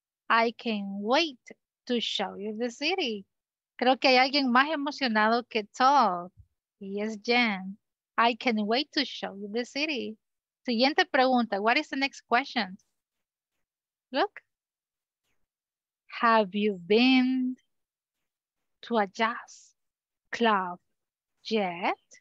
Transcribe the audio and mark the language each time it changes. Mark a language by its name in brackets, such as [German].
[English] I can't wait to show you the city. [Spanish] Creo que hay alguien más emocionado que Todd. [English] Yes, Jen. I can't wait to show you the city. [Spanish] Siguiente pregunta. [English] What is the next question? Look. Have you been to a jazz club yet?